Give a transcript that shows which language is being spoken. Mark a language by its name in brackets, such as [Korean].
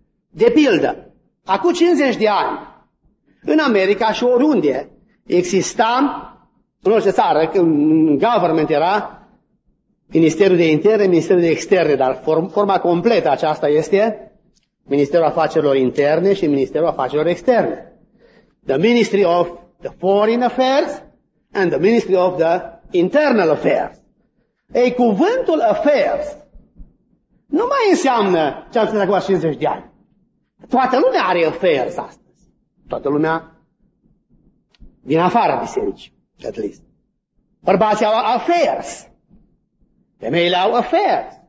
[Romanian] De pildă, acum 50 de ani, în America și oriunde, exista, în orice țară, când government era Ministerul de Interne, Ministerul de Externe, dar forma completă aceasta este Ministerul Afacerilor Interne și Ministerul Afacerilor Externe. [English] The Ministry of the Foreign Affairs and the Ministry of the Internal Affairs. [Romanian] Ei, cuvântul affairs nu mai înseamnă ce am spus acum 50 de ani. Toată lumea are affairs astăzi. Toată lumea din afara bisericii, [English] at least. [Romanian] Bărbații au affairs. Femeile au affairs.